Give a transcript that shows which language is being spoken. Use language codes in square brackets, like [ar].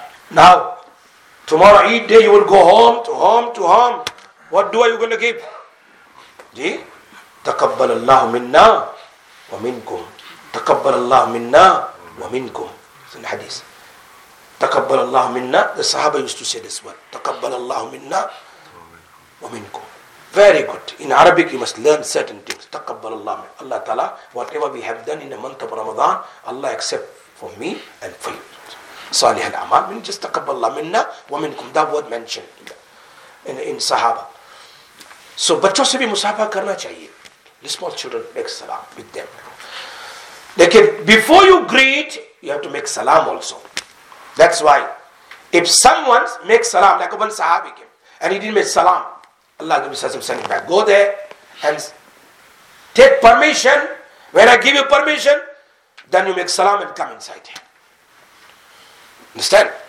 [en] Now, tomorrow Eid day you will go home. What do are you going to give? [ar] جی, تقبل اللہ منا ومنکم, تقبل اللہ منا ومنکم. [en] It's in the حدیث. [ar] تقبل اللہ منا, [en] the Sahaba used to say this word. [ar] تقبل اللہ منا ومنکم. [en] Very good. In Arabic you must learn certain things. [ar] تقبل اللہ منا. [en] Allah Ta'ala, whatever we have done in the month of Ramadan, Allah accept for me and for you. [ar] صالح الاعمال من جس تقبل الله منا ومنكم, [en] that word mentioned in sahaba. [ur] So بچوں سے بھی مصافحہ کرنا چاہیے. [en] The small children make salam with them. [ur] لیکن [en] before you greet you have to make salam also. That's why if someone makes salam like one sahabi came and he didn't make salam, Allah gave him send him back, go there and take permission, when I give you permission then you make salam and come inside. Understand?